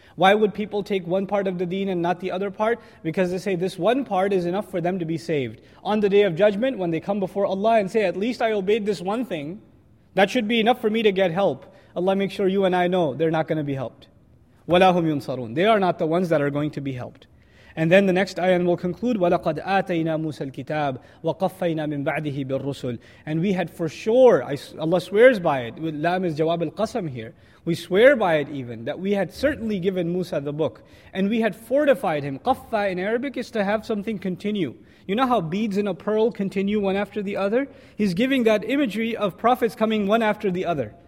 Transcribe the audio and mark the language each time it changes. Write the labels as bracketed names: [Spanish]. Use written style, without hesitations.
[English] Why would people take one part of the deen and not the other part? Because they say this one part is enough for them to be saved. On the day of judgment, when they come before Allah and say, at least I obeyed this one thing, that should be enough for me to get help. Allah make sure you and I know they're not going to be helped. [Arabic] وَلَا هُمْ يُنصَرُونَ. [English] They are not the ones that are going to be helped. And then the next ayah will conclude, [Arabic] وَلَقَدْ آتَيْنَا مُوسَى الْكِتَابِ وَقَفَّيْنَا مِنْ بَعْدِهِ بِالرُّسُلِ. [English] And we had for sure, Allah swears by it, لَام is [Arabic] جَوَابِ الْقَسَمِ [English] here. We swear by it even, that we had certainly given Musa the book. And we had fortified him. قَفَّى in Arabic is to have something continue. You know how beads in a pearl continue one after the other? He's giving that imagery of prophets coming one after the other.